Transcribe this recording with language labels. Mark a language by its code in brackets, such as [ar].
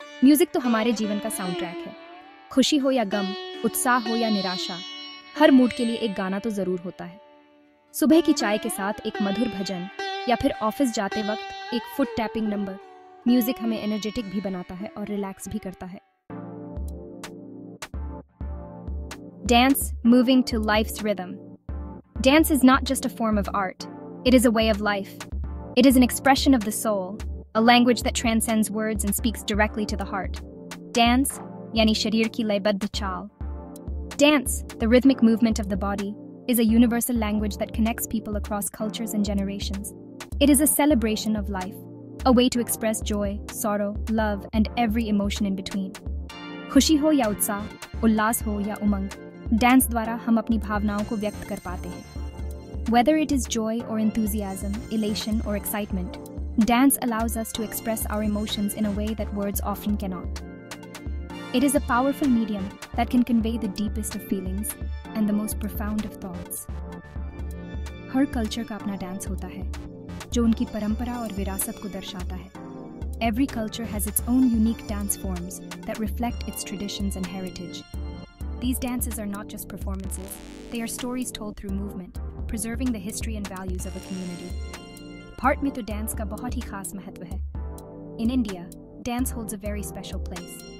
[hi] Music तो हमारे जीवन का साउंडट्रैक है। खुशी हो या गम, उत्साह हो या निराशा, हर मूड के लिए एक गाना तो जरूर होता है। सुबह की चाय के साथ एक मधुर भजन या फिर ऑफिस जाते वक्त एक फुट टैपिंग नंबर, म्यूजिक हमें एनर्जेटिक भी बनाता है और रिलैक्स भी करता है। [en] Dance, moving to life's rhythm. Dance is not just a form of art, it is a way of life. It is an expression of the soul, a language that transcends words and speaks directly to the heart. Dance, [hi] yani sharir ki laybadh chaal. [en] Dance, the rhythmic movement of the body, is a universal language that connects people across cultures and generations. It is a celebration of life, a way to express joy, sorrow, love, and every emotion in between. [hi] Khushi ho ya utsaah, ullaas ho ya umang, dance द्वारा हम अपनी भावनाओं को व्यक्त कर पाते हैं। [en] Whether it is joy or enthusiasm, elation or excitement, dance allows us to express our emotions in a way that words often cannot. It is a powerful medium that can convey the deepest of feelings and the most profound of thoughts. [hi] हर culture का अपना dance होता है जो उनकी परंपरा और विरासत को दर्शाता है. [en] Every culture has its own unique dance forms that reflect its traditions and heritage. These dances are not just performances, they are stories told through movement, preserving the history and values of a community. [hi] Part mein to dance ka bahut hi khas mahatv hai. [en] In India, dance holds a very special place.